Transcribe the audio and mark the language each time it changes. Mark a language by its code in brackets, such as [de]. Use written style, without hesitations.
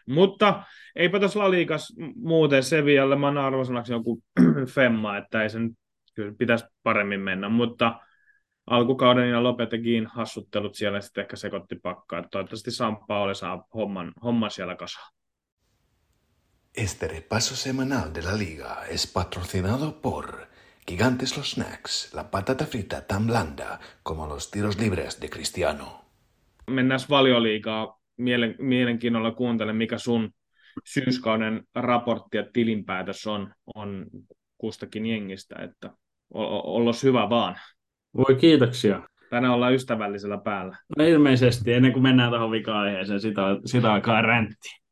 [fi] Mutta eipä tuossa La Ligassa muuten Sevillalle, mä annan arvosanaksi joku femma, että ei sen kyllä pitäisi paremmin mennä, mutta alkukauden ja Lopetegin hassuttelut siellä sitten ehkä sekoitti pakkaa. Toivottavasti Sampaoli saa homman siellä kasaan. [es] Este repaso semanal de la Liga es patrocinado por... Gigantes los snacks, la patata frita tan blanda como los tiros libres de Cristiano. [fi] Mennään Valioliigaa. Mielenkiinnolla kuuntelen, mikä sun syyskauden raportti ja tilinpäätös on kustakin jengistä, että ollos hyvä vaan. Voi kiitoksia. Tänään ollaan ystävällisellä päällä. No ilmeisesti, ennen kuin mennään tuohon vika-aiheeseen, sitä alkaa räntti.